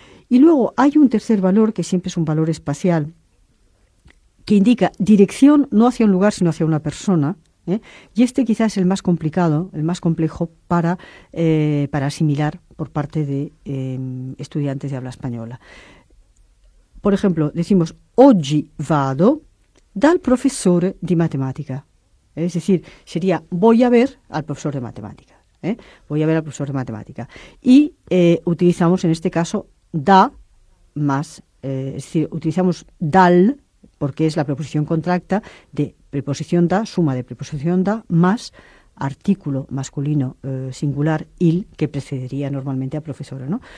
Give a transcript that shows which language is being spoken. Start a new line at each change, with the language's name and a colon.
Spanish: Y luego hay un tercer valor que siempre es un valor espacial que indica dirección no hacia un lugar sino hacia una persona. Y este quizás es el más complicado, el más complejo para asimilar por parte de estudiantes de habla española. Por ejemplo, decimos,
Italian: oggi vado dal professore di matematica.
Spanish: Es decir, sería, voy a ver al profesor de matemática. Voy a ver al profesor de matemática. Y utilizamos en este caso da más, es decir, utilizamos dal, porque es la preposición contracta de preposición da, suma de preposición da, más artículo masculino singular il, que precedería normalmente a profesora, ¿no?